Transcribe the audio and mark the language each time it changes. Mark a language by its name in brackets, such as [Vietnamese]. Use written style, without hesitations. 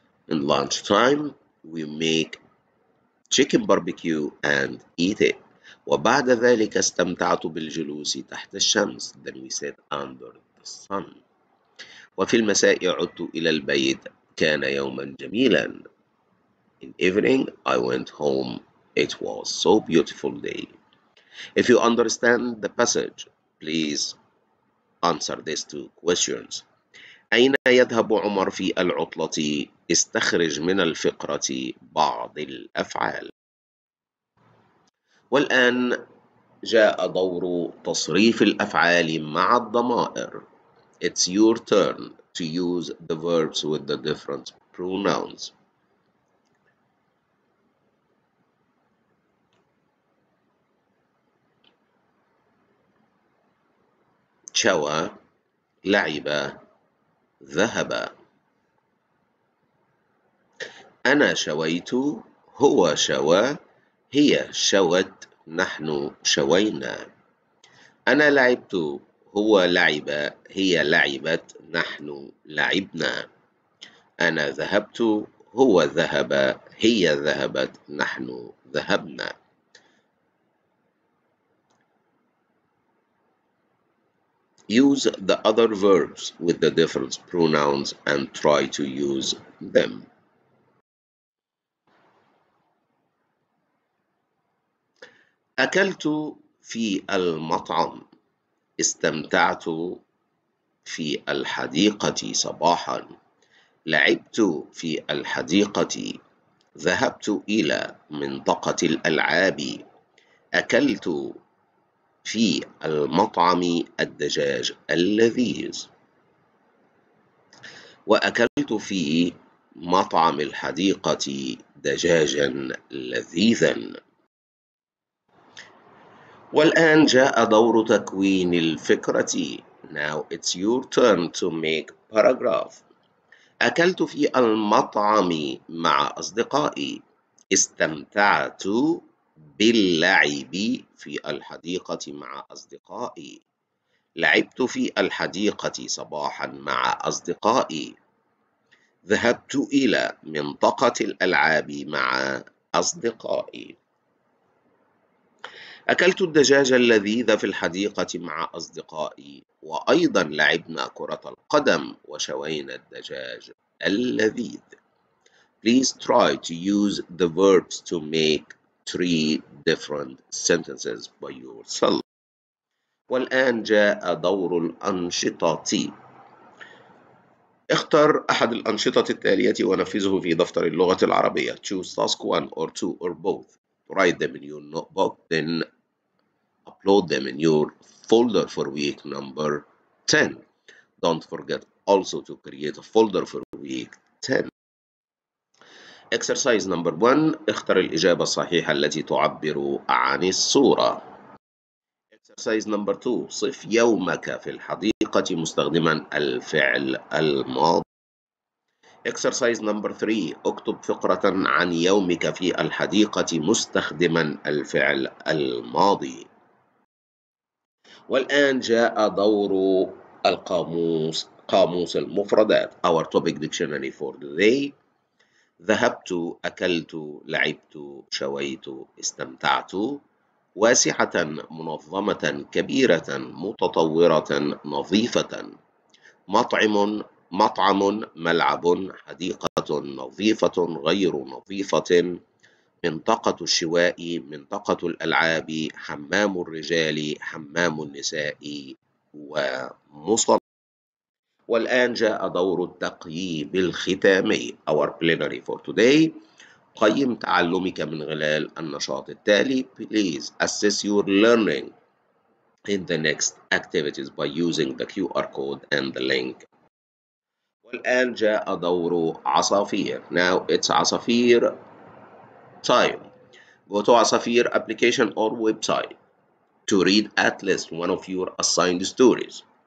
[English] In lunch time, we make chicken barbecue and eat it. [Arabic] وبعد ذلك استمتعت بالجلوس تحت الشمس. [English] Then we sat under the sun. [Arabic] وفي المساء عدت إلى البيت. كان يوما جميلا. [English] In evening, I went home. It was so beautiful day. If you understand the passage, please answer these two questions. [Arabic] أين يذهب عمر في العطلة؟ استخرج من الفقرة بعض الأفعال. والآن جاء دور تصريف الأفعال مع الضمائر. [English] It's your turn to use the verbs with the different pronouns. [Arabic] شوى، لعب، ذهب. أنا شويت، هو شوى، هي شوت، نحن شوينا. أنا لعبت، هو لعب، هي لعبت، نحن لعبنا. أنا ذهبت، هو ذهب، هي ذهبت، نحن ذهبنا. [English] Use the other verbs with the different pronouns and try to use them. [Arabic] أكلت في المطعم. استمتعت في الحديقة صباحا. لعبت في الحديقة. ذهبت إلى منطقة الألعاب. أكلت في المطعم الدجاج اللذيذ. وأكلت في مطعم الحديقة دجاجا لذيذا. والآن جاء دور تكوين الفكرة. [English] Now it's your turn to make paragraph. [Arabic] أكلت في المطعم مع أصدقائي. استمتعت باللعب في الحديقة مع أصدقائي. لعبت في الحديقة صباحا مع أصدقائي. ذهبت إلى منطقة الألعاب مع أصدقائي. أكلت الدجاج اللذيذ في الحديقة مع أصدقائي، وأيضا لعبنا كرة القدم وشوينا الدجاج اللذيذ. [English] Please try to use the verbs to make three different sentences by yourself. [Arabic] والآن جاء دور الأنشطة. اختر أحد الأنشطة التالية ونفذه في دفتر اللغة العربية. [English] Choose task one or two or both. Write them in your notebook, then upload them in your folder for week number 10. Don't forget also to create a folder for week 10. Exercise number 1. [Arabic] اختر الإجابة الصحيحة التي تعبر عن الصورة. [English] Exercise number 2. [Arabic] صف يومك في الحديقة مستخدما الفعل الماضي. [English] Exercise number 3. [Arabic] اكتب فقرة عن يومك في الحديقة مستخدما الفعل الماضي. والآن جاء دور القاموس، قاموس المفردات. [English] Our topic dictionary for today. [Arabic] ذهبت، أكلت، لعبت، شويت، استمتعت. واسعة، منظمة، كبيرة، متطورة، نظيفة. مطعم، مطعم، ملعب، حديقة، نظيفة، غير نظيفة. منطقة الشواء، منطقة الألعاب، حمام الرجال، حمام النساء، ومصلى. والآن جاء دور التقييم الختامي. [English] Our plenary for today. [Arabic] قيم تعلمك من خلال النشاط التالي. [English] Please assess your learning in the next activities by using the QR code and the link. [Arabic] والآن جاء دور عصافير. [English] Now it's عصافير time. Go to عصافير application or website to read at least one of your assigned stories.